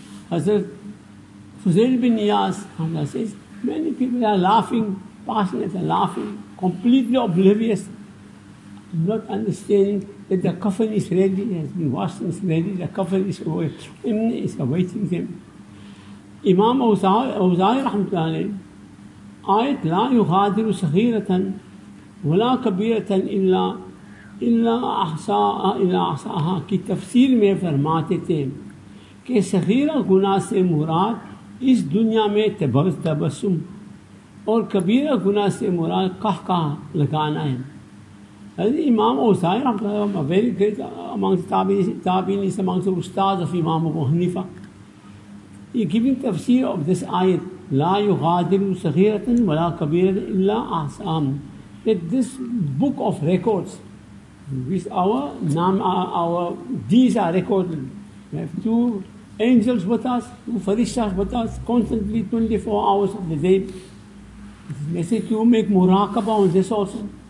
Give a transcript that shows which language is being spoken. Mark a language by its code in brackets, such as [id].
[en] Hazrat Fuzail bin Iyas says many people are laughing, passionately laughing, completely oblivious, not understanding that the coffin is ready, has been washed and is ready, the coffin is awaiting them. [ur] Imam Awza'i rahmatullahi alayhi, آیت [ar] لا يغادر صغيرة ولا كبيرة إلا أحصاها [ur] کی تفسیر میں فرماتے تھے کہ صغیرہ گناہ سے مراد اس دنیا میں تبسم اور کبیرہ گناہ سے مراد قہقہ لگانا ہے. [en] Imam Awzai رحمت اللہ علیہ very great among the تابعین is among the استاذ of imam Abu Hanifa. He giving تفسیر of this آیت لا يغادر صغيرة ولا كبيرة إلا أحصاها. That this book of records, with our name, our deeds are recorded. We have two angels with us, two farishas with us, constantly 24 hours of the day. This message to make muraqabah on this also.